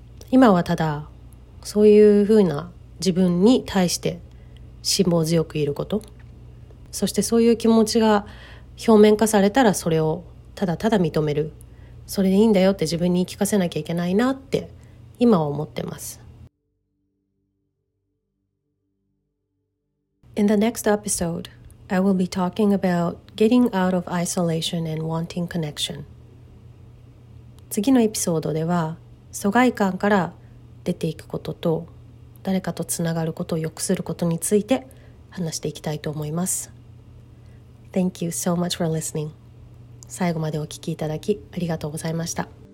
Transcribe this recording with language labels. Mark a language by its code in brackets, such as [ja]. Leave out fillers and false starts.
[ja] 今はただそういうふうな自分に対して辛抱強くいること、そしてそういう気持ちが表面化されたらそれをただただ認める、それでいいんだよって自分に聞かせなきゃいけないなって今は思ってます。 [en] In the next episode, I will be talking about getting out of isolation and wanting connection. [ja] 次のエピソードでは疎外感から出ていくことと誰かとつながることを良くすることについて話していきたいと思います。 [en] Thank you so much for listening. [ja] 最後までお聞きいただきありがとうございました。